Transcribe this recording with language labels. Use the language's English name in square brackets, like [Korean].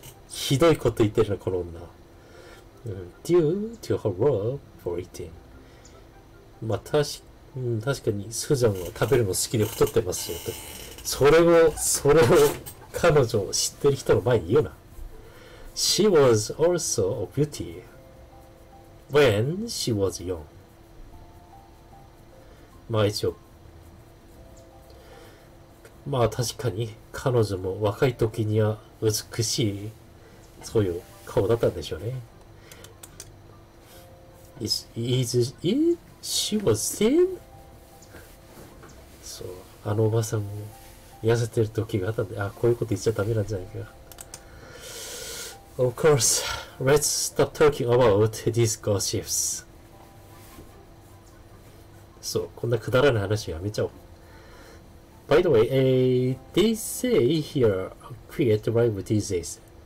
[Japanese] ひどいこと言ってるな、この女。 [English] Due to her love for eating. [Japanese] まあ、確かに、スーザンは食べるの好きで太ってますよ。それを、彼女を知ってる人の前に言うな。 [English] She was also a beauty when she was young. [Japanese] まあ一応、まあ確かに彼女も若い時には美しいそういう顔だったんでしょうね。 [English] She was thin? [Japanese] そう、あのおばさんも痩せてる時があったんで、あ、こういうこと言っちゃダメなんじゃないか。 [English] Of course, let's stop talking about these gossips. [Japanese] そう、こんなくだらない話やめちゃおう。 [English] By the way, they say here quite arrive these days.